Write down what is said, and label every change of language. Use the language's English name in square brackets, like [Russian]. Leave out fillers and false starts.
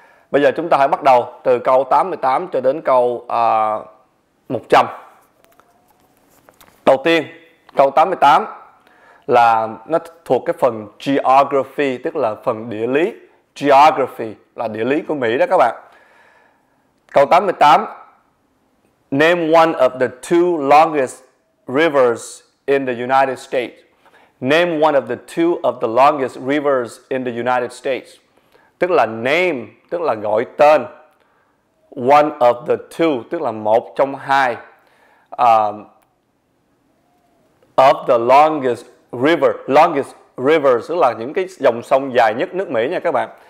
[Vietnamese] Bây giờ chúng ta hãy bắt đầu từ câu 88 cho đến câu 100. Đầu tiên, câu 88 là nó thuộc cái phần geography, tức là phần địa lý. Geography là địa lý của Mỹ đó các bạn. [English] Câu 88: Name one of the two longest rivers in the United States. Name one of the two of the longest rivers in the United States. [Vietnamese] Tức là [English] name, [Vietnamese] tức là gọi tên. [English] One of the two, [Vietnamese] tức là một trong hai. [English] Of the longest river, longest rivers, [Vietnamese] tức là những cái dòng sông dài nhất nước Mỹ nha các bạn.